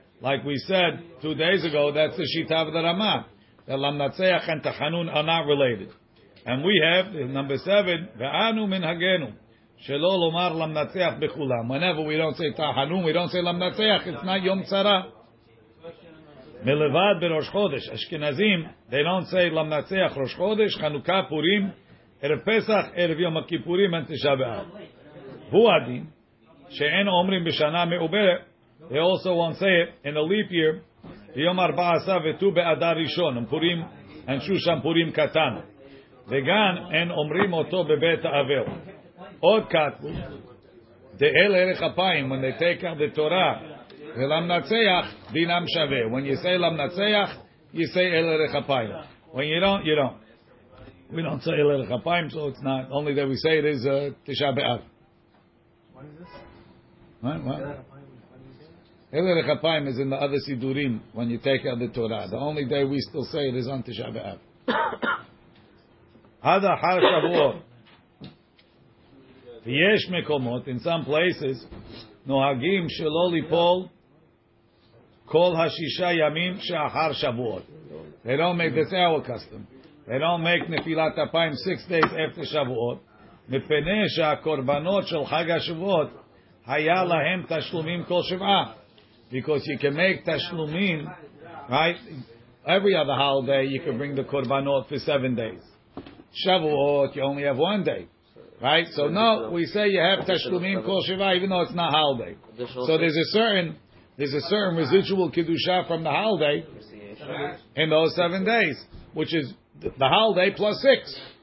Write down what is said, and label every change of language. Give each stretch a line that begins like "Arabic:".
English: Like we said 2 days ago, that's the Shita of the Rama. The lamnatzeyach and tahanun are not related. And we have, number 7, ve'anu min hagenu, shelo lomar lamnatzeyach b'kulam. Whenever we don't say tahanun, we don't say lamnatzeyach, it's not Yom Tzara.
Hebrew: מלבד בראש חודש, אשכנזים,
English: they don't say
Hebrew: למנצח ראש חודש, חנוכה פורים, ערב פסח, ערב יום הכיפורים, אין תשע באב. הוא הדין, שאין אומרים בשנה מעוברת,
English: they also won't say it in a leap year,
Hebrew: ביום 14 וטו באדר ראשון, הם פורים, הם שו שם פורים קטן. וגם אין אומרים אותו בבית האבל. עוד כתבו, דאל ערך אפיים,
English: when they take out the Torah,
Hebrew: ולמנצח דינם שווה.
English: When you say למנצח, you say אל ערך אפיים. When you don't, you don't. We don't say אל ערך אפיים, so it's not. Only that we say it is תשע באב. What is this? What? אל ערך אפיים is in the other סידורים when you take out the Torah. The only day we still say it is on תשע באב.
Hebrew: עד אחר שבועות. ויש מקומות,
English: in some places,
Hebrew: נוהגים שלא ליפול כל השישה ימים שאחר שבועות.
English: They don't make, this our custom. They don't make נפילת אפיים 6 days after שבועות,
Hebrew: מפני שהקורבנות של חג השבועות, היה להם תשלומים כל שבעה.
English: Because you can make תשלומים, right? Every other holiday you can bring the קורבנות for 7 days. שבועות, you only have 1 day. Right? So no, we say you have
Hebrew: תשלומים כל שבעה,
English: even though it's not holiday. So there's a certain residual kiddushah from the holiday in those 7 days, which is the holiday plus 6.